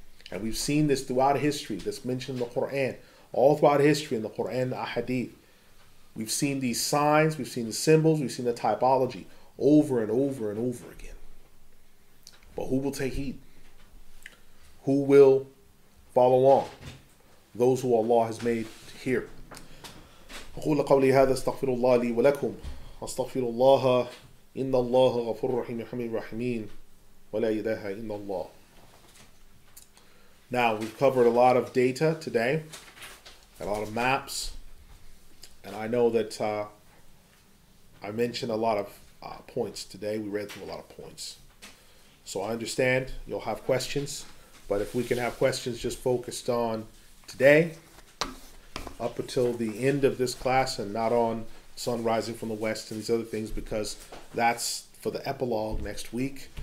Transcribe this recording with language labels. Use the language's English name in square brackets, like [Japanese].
[English] And we've seen this throughout history that's mentioned in the Quran. All throughout history in the Quran, the Ahadith. We've seen these signs, we've seen the symbols, we've seen the typology over and over and over again. But who will take heed? Who will follow along? Those who Allah has made to hear. [Arabic] أقول قولي هذا استغفر الله لي ولكم استغفر الله إن الله غفور رحيم حميد رحيمين ولا إله إلا الله. [English] Now we've covered a lot of data today, a lot of maps. And I know that I mentioned a lot of points today. We read through a lot of points. So I understand you'll have questions. But if we can have questions just focused on today, up until the end of this class, and not on sun rising from the west and these other things, because that's for the epilogue next week.